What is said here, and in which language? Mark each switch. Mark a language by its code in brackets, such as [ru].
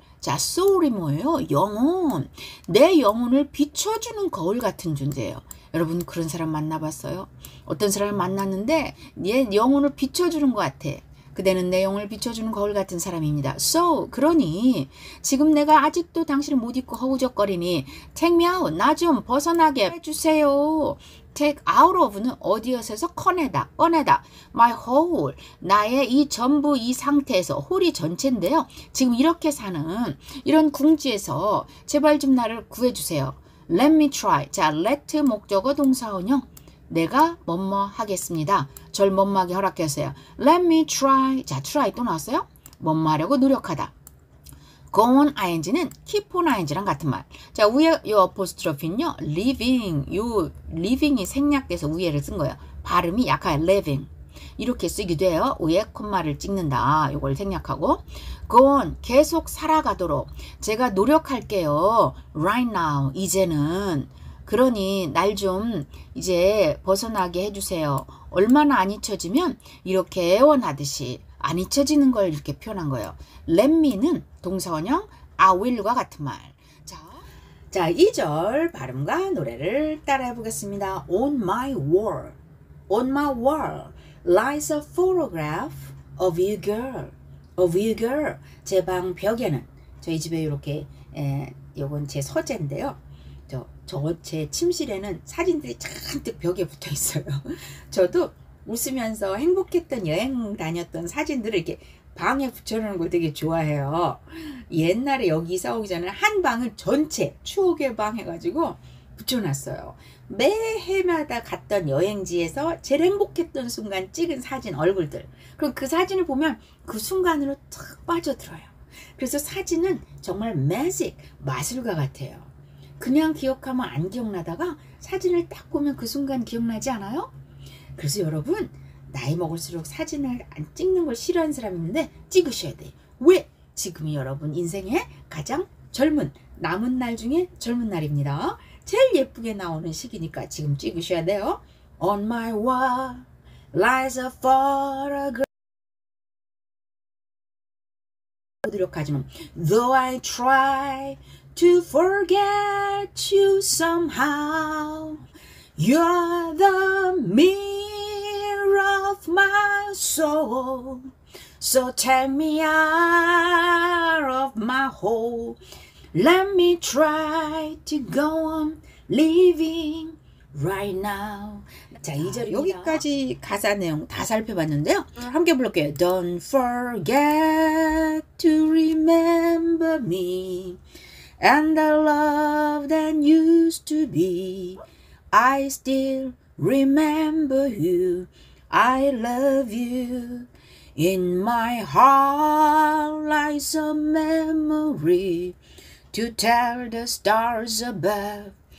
[ko] 자, soul이 뭐예요? 영혼. 내 영혼을 비춰주는 거울 같은 존재예요. 여러분, 그런 사람 만나봤어요? 어떤 사람을 만났는데 얘 영혼을 비춰주는 것 같아. 그대는 내 영혼을 비춰주는 거울 같은 사람입니다. So, 그러니 지금 내가 아직도 당신을 못 잊고 허우적거리니 [en] Take me out, [ko] 나 좀 벗어나게 해주세요. Take out of는 어디에서 꺼내다. [en] My whole, [ko] 나의 이 전부 이 상태에서, 홀이 전체인데요. 지금 이렇게 사는 이런 궁지에서 제발 좀 나를 구해주세요. [en] Let me try. [ko] 자, let 목적어 동사원형. 내가 뭐뭐 하겠습니다. 절 뭐뭐 하게 허락했어요. [en] Let me try. [ko] 자, try 또 나왔어요. 뭐뭐 하려고 노력하다. Go on ing는 keep on ing랑 같은 말. 자, 위에 요 apostrophe는요. [en] living. [ko] 요 living이 생략돼서 위에를 쓴 거예요. 발음이 약해요. living. 이렇게 쓰기도 해요. 위에 콤마를 찍는다. 요걸 생략하고. [en] Go on. [ko] 계속 살아가도록. 제가 노력할게요. [en] Right now. [ko] 이제는. 그러니 날 좀 이제 벗어나게 해주세요. 얼마나 안 잊혀지면 이렇게 애원하듯이 안 잊혀지는 걸 이렇게 표현한 거예요. Let me는 동사원형 I will과 같은 말. 자, 2절 발음과 노래를 따라해 보겠습니다. [en] On my wall, on my wall lies a photograph of you girl, of you girl. [ko] 제 방 벽에는 저희 집에 이렇게 이건 제 서재인데요. 제 침실에는 사진들이 잔뜩 벽에 붙어 있어요. 저도 웃으면서 행복했던 여행 다녔던 사진들을 이렇게 방에 붙여놓는 걸 되게 좋아해요. 옛날에 여기 이사 오기 전에 한 방을 전체 추억의 방 해가지고 붙여놨어요. 매 해마다 갔던 여행지에서 제일 행복했던 순간 찍은 사진 얼굴들. 그럼 그 사진을 보면 그 순간으로 탁 빠져들어요. 그래서 사진은 정말 매직, 마술과 같아요. 그냥 기억하면 안 기억나다가 사진을 딱 보면 그 순간 기억나지 않아요? 그래서 여러분, 나이 먹을수록 사진을 안 찍는 걸 싫어하는 사람 있는데 찍으셔야 돼. 왜? 지금이 여러분 인생의 가장 젊은, 남은 날 중에 젊은 날입니다. 제일 예쁘게 나오는 시기니까 지금 찍으셔야 돼요. [en] On my wall lies a photograph. [ko] 노력하지만 [en] Though I try to forget you somehow, you're the mirror of my soul. So tear me out of my hole. Let me try to go on living right now. [ko] 자, 2절 여기까지 가사 내용 다 살펴봤는데요. 함께 불러볼게요. [en] Don't forget to remember me. And the love that used to be, I still remember you. I love you. In my heart lies a memory to tell the stars above.